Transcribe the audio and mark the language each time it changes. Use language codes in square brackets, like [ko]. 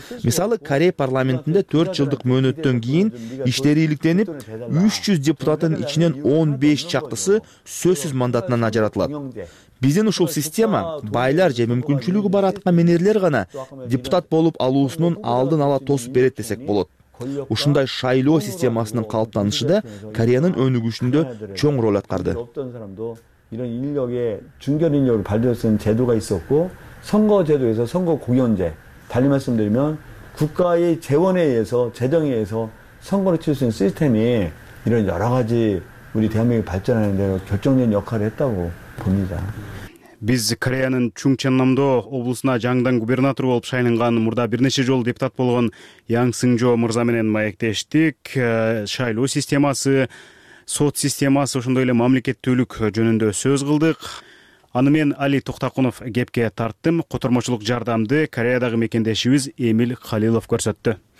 [ky] Мисалы, Корея парламентинде 4 жылдык мөөнөттөн кийин иштери иликтенип, 300 депутаттын ичинен 15 чактысы сөзсүз мандатынан ажыратылат. Биздин ушул система байлар же мүмкүнчүлүгү бар аткан менерлер гана депутат болуп алуусунун алдын ала тосуп берет десек болот. Ушундай шайлоо системасынын калыптанышында Кореянын өнүгүшүндө чоң роль аткарды. [ko] Иrun 인력에 중견 인력을 발전시키는 제도가 있었고 선거 제도에서 선거 공연제 달리 말씀드리면 국가의 재원에 의해서 재정에 의해서 선거를 치를 수 있는 시스템이 이런 여러 가지 우리 대한민국 발전하는 데 결정적인 역할을 했다고 봅니다. [ky] Биз Кореянын Чунчандамдо облусуна жаңдан губернатор болуп шайланган, мурда бир нече жолу депутат болгон Ян Сынжо мырза менен маектештик. Шайлоо системасы, сот системасы, ошондой эле мамлекеттүүлүк жөнүндө сөз кылдык. Аны мен Али Токтокунов кепке тарттым. Котормочулук жардамды Кореядагы мекендешибиз Эмил Халилов көрсөттү.